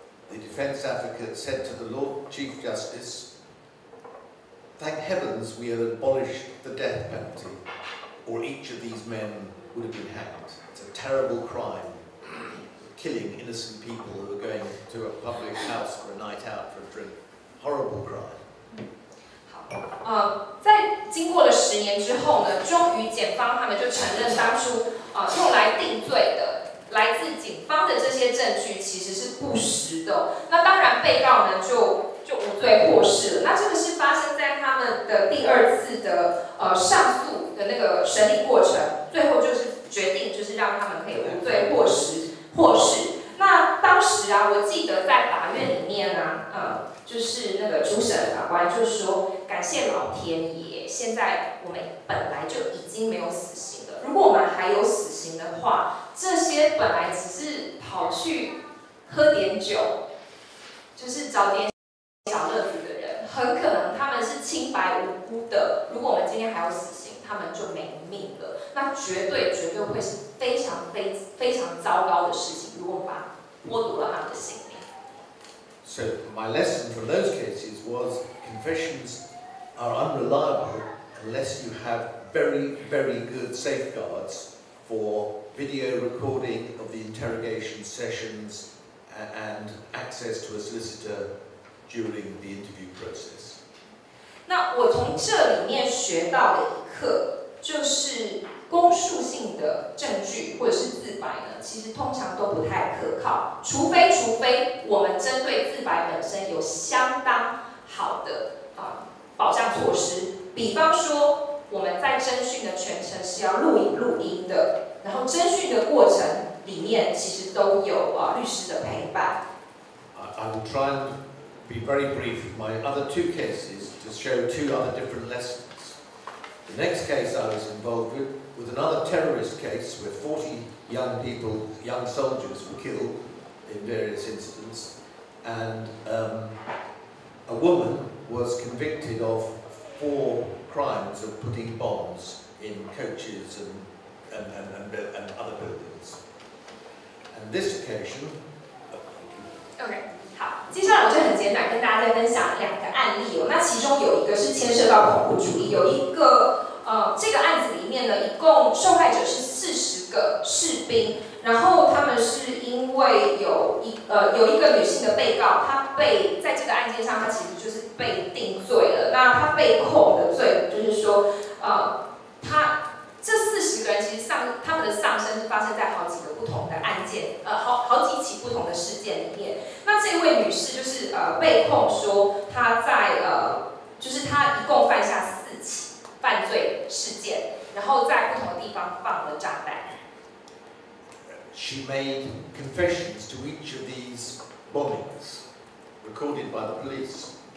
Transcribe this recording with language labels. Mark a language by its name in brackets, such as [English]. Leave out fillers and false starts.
[English] The defense advocate said to the Lord Chief Justice, "Thank heavens we have abolished the death penalty, or each of these men would have been hanged. It's a terrible crime, killing innocent people who are going to a public house for a night out for a drink. Horrible crime." [Chinese] 在经过了十年之后呢，终于检方他们就承认当初用来定罪的。来自警方的这些证据其实是不实的，那当然被告呢就无罪获释了。那这个是发生在他们的第二次的上诉的那个审理过程，最后就是决定就是让他们可以无罪获释。那当时啊，我记得在法院里面啊，就是那个主审法官就说：“感谢老天爷，现在我们本来就已经没有死刑了。如果我们还有死刑的话。” 这些本来只是跑去喝点酒，就是找点小乐子的人，很可能他们是清白无辜的。如果我们今天还有死刑，他们就没命了。那绝对会是非常非常非常糟糕的事情。如果我们剥夺了他们的性命。 [English] So my lesson from those cases was confessions are unreliable unless you have very very good safeguards for. Video recording of the interrogation sessions and access to a solicitor during the interview process. [Chinese] 那我从这里面学到的一课，就是公诉性的证据或者是自白呢，其实通常都不太可靠，除非我们针对自白本身有相当好的保障措施，比方说我们在侦讯的全程是要录音的。然后侦讯的过程里面，其实都有律师的陪伴。 [English] I will try and be very brief with my other two cases to show two other different lessons. The next case I was involved with was another terrorist case where 40 young people, young soldiers, were killed in various incidents, and a woman was convicted of four crimes of putting bombs in coaches and other buildings. And this occasion. [Chinese] Okay, 好，接下来我就很简短跟大家再分享两个案例哦。那其中有一个是牵涉到恐怖主义，有一个这个案子里面呢，一共受害者是40个士兵，然后他们是因为有一个女性的被告，她被在这个案件上，她其实就是被定罪了。那她被控的罪就是说，她。这40个人其实他们的丧生是发生在好几个不同的案件，好几起不同的事件里面。那这位女士就是被控说她在就是她一共犯下4起犯罪事件，然后在不同的地方放了炸弹。 [English] She made confessions to each of these bombings, recorded by the police.